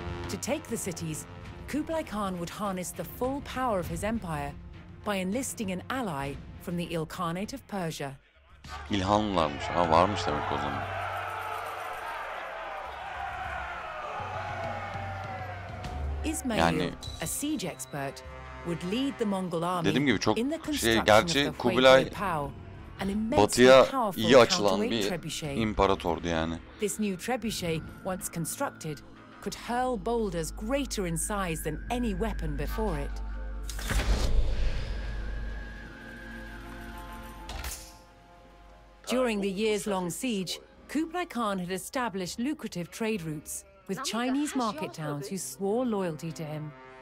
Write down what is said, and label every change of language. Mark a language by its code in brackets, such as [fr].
[en] To take the cities, Kublai Khan would harness the full power of his empire by enlisting an ally from the Ilkhanate of Persia. [tr] İlhanlılarmış. Ha, varmış demek o zaman. [en] İsmail, yani, a siege expert, would lead the Mongol army. [tr] Dediğim gibi çok şey, gerçi Kublai batıya iyi açılan bir imparatordu yani. [en] This new trebuchet, once constructed, could hurl boulders greater in size than any weapon before it. During the years-long siege, Kublai Khan had established lucrative trade routes with Chinese market towns who swore loyalty to him.